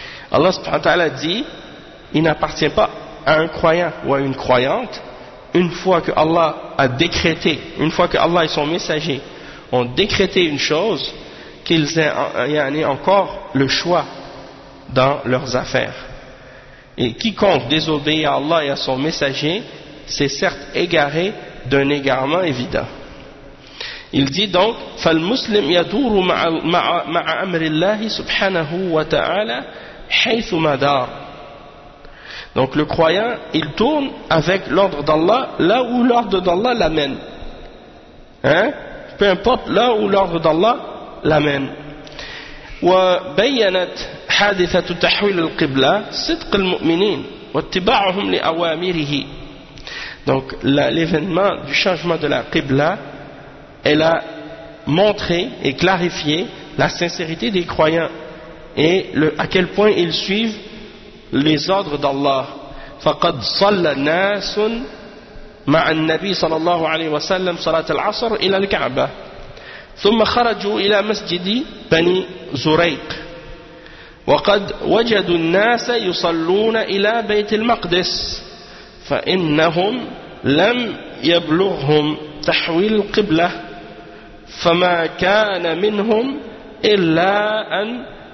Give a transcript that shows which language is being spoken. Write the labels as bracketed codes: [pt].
[fr] Allah subhanahu wa ta'ala dit, il n'appartient pas à un croyant ou à une croyante, une fois que Allah a décrété, une fois que Allah et son messager ont décrété une chose, qu'ils aient encore le choix dans leurs affaires. Et quiconque désobéit à Allah et à son messager s'est certes égaré d'un égarement évident. Il dit donc, [ar] فالمسلم يدور مع أمر الله سبحانه وتعالى حيث ما دار. [fr] Donc le croyant, il tourne avec l'ordre d'Allah là où l'ordre d'Allah l'amène. Hein? Peu importe là où l'ordre d'Allah l'amène. [ar] وبينت حادثة تحويل القبلة صدق المؤمنين واتباعهم لأوامره. [fr] Donc l'événement du changement de la Qibla, elle a montré et clarifié la sincérité des croyants et à quel point ils suivent les ordres d'Allah. [ar] فَقَدْ صَلَّ نَاسٌ مَعَ النَّبِي صَلَى اللَّهُ عَلَيْهِ وَسَلَّمْ صَلَاةَ الْعَصْرِ إِلَى الْكَعْبَةِ ثُمَّ خَرَجُوا إِلَى مَسْجِدِ بَنِي زُرَيْقِ وَقَدْ وَجَدُوا النَّاسَ يُصَلُّونَ إِلَى بَيْتِ الْمَقْدِسِ فَإِنَّهُمْ لَمْ يَبْلُغْهُمْ تحويل القبلة فما كان منهم إلا أن